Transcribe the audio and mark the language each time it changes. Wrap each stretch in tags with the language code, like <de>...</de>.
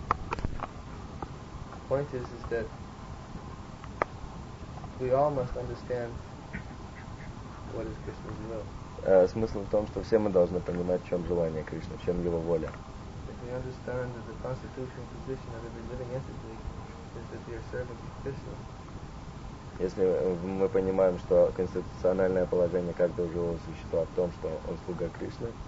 <en>The point is that we all must understand what is Krishna's will.</en> <ru>Смысл в том, что все мы должны понимать, в чем желание Кришны, в чем его воля.</ru> <en>If we understand that the constitutional position of every living entity is that they are servants of Krishna.</en> <ru>Если мы понимаем, что конституциональное положение каждого живого существа в том, что он слуга Кришны,</ru>